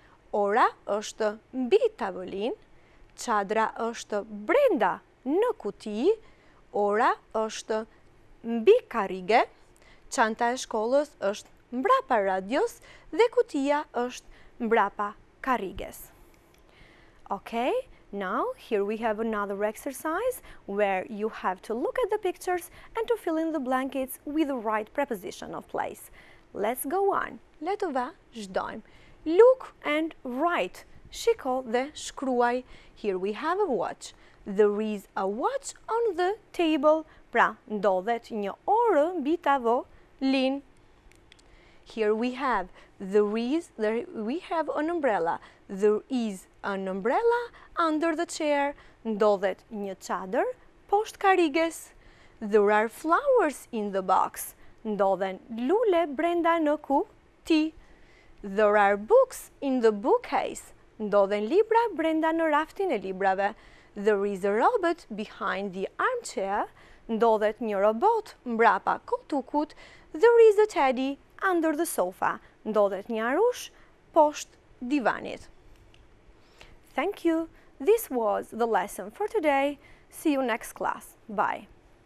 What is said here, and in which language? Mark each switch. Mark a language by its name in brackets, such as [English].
[Albanian] Ora është mbi tavolinë, çadra është brenda në kuti, ora është mbi karrige, çanta e shkollës është mbrapa radios dhe kutia është mbrapa karriges. [English] Okay, now here we have another exercise where you have to look at the pictures and to fill in the blanks with the right preposition of place. Let's go on. [Albanian] Le të vazhdojmë. [English] Look and write. [Albanian] Shiko dhe shkruaj. [English] Here we have a watch. There is a watch on the table. [Albanian] Pra, ndodhet një orë mbi tavolinë. [English] Here we have. There we have an umbrella. There is an umbrella under the chair. [Albanian] Ndodhet një çadër poshtë karriges. [English] There are flowers in the box. [Albanian] Ndodhen lule brenda në kuti. [English] There are books in the bookcase. [Albanian] Ndodhen libra brenda në raftin e librave. [English] There is a robot behind the armchair. [Albanian] Ndodhet një robot mbrapa koltukut. [English] There is a teddy under the sofa. [Albanian] Ndodhet një arush poshtë divanit. [English] Thank you. This was the lesson for today. See you next class. Bye.